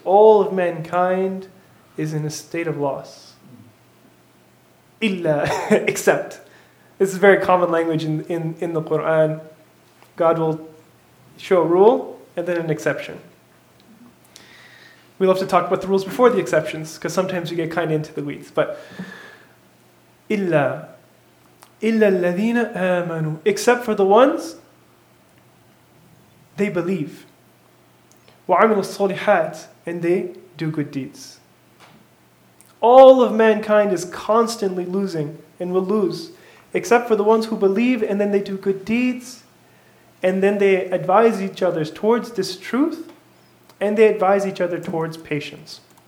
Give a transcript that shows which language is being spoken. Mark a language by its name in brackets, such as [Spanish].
[English] All of mankind is in a state of loss. إِلَّا except. This is very common language in the Qur'an. God will show a rule and then an exception. We love to talk about the rules before the exceptions because sometimes we get kind of into the weeds. But [Arabic] إِلَّا الَّذِينَ آمَنُوا. [English] Except for the ones they believe. [Arabic] وَعَمِلُوا الصَّالِحَاتِ. [English] And they do good deeds. All of mankind is constantly losing and will lose, except for the ones who believe and then they do good deeds, and then they advise each other towards this truth, and they advise each other towards patience.